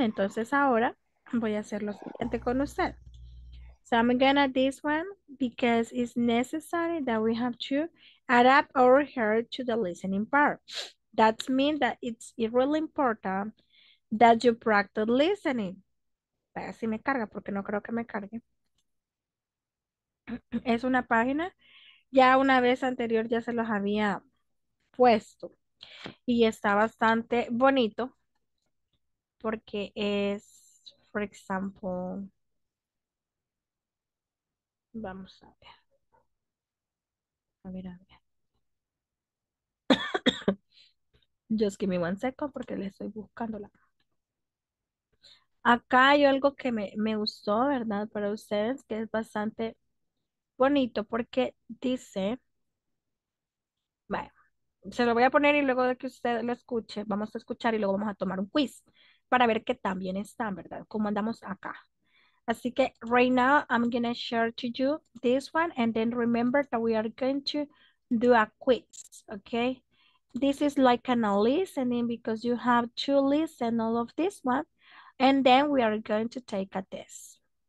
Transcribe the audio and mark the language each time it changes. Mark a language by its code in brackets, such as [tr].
[es] Entonces ahora voy a hacer lo siguiente con usted. [en] So I'm gonna this one because it's necessary that we have to adapt our hair to the listening part. That means that it's really important that you practice listening. [es] Vaya si me carga, porque no creo que me cargue. Es una página. Ya una vez anterior ya se los había puesto. Y está bastante bonito. Porque es, for example. Vamos a ver. A ver, a ver. [en] Just give me one second [es] porque le estoy buscándola. Acá hay algo que me gustó, ¿verdad? Para ustedes, que es bastante bonito porque dice, bueno, se lo voy a poner y luego de que usted lo escuche, vamos a escuchar y luego vamos a tomar un quiz para ver qué tan bien están, ¿verdad? Cómo andamos acá. Así que [en] right now I'm going to share to you this one and then remember that we are going to do a quiz, okay? This is like a listening because you have to listen all of this one and then we are going to take a test.